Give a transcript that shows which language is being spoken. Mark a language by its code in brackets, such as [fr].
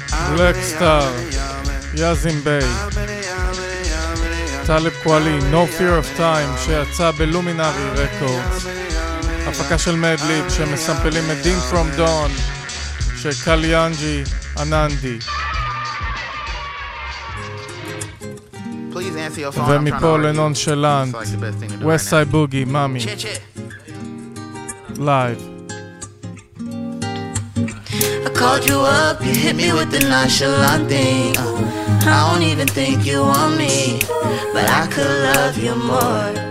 [he] Blackstar, Yazim Bey, Talib Kweli, No Fear of Time, שיצא בלומינרי רקורדס, הפקה של מדליב, שמסמפלים את Dean From Dawn, של קליאנג'י, אננדי. ומפה לנון שלנט, West Side Boogie, מאמי, לייב. [en] Called you up, you hit me with the nonchalant thing. I don't even think you want me, but I could love you more.